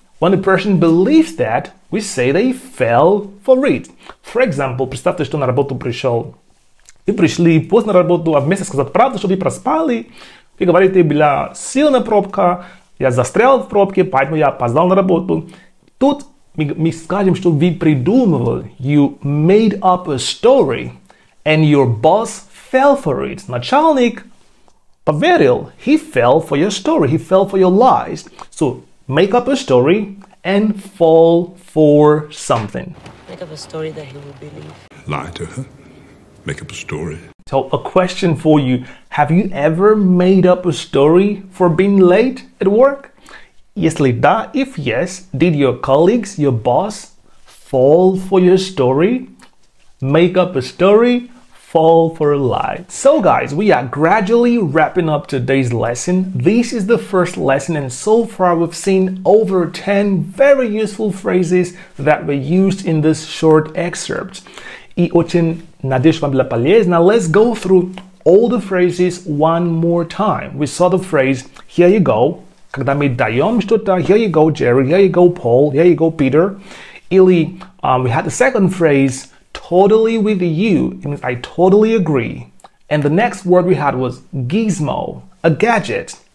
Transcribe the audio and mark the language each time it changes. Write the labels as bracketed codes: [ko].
[en] When a person believes that, we say they fell for it. For example, [ru] представьте, что на работу пришел. Вы пришли поздно на работу, а вместо сказать правду, что вы проспали, вы говорите, была сильная пробка, я застрял в пробке, поэтому я опоздал на работу. Тут мы скажем, что вы придумывали. [en] You made up a story, and your boss fell for it. [ru] Начальник поверил. [en] He fell for your story. He fell for your lies. So, make up a story and fall for something. Make up a story that he will believe. Lie to her. Make up a story. So a question for you. Have you ever made up a story for being late at work? [ru] Если да, [en] if yes, did your colleagues, your boss, fall for your story? Make up a story, fall for a lie. So guys, we are gradually wrapping up today's lesson. This is the first lesson, and so far we've seen over 10 very useful phrases that were used in this short excerpt. [ru] И очень надеюсь, вам было полезно. [en] Now let's go through all the phrases one more time. We saw the phrase, here you go. [ru] Когда мы даем что-то, [en] here you go, Jerry, here you go, Paul, here you go, Peter. [ru] Или [en] we had the second phrase, totally with you. It means I totally agree. And the next word we had was gizmo, a gadget.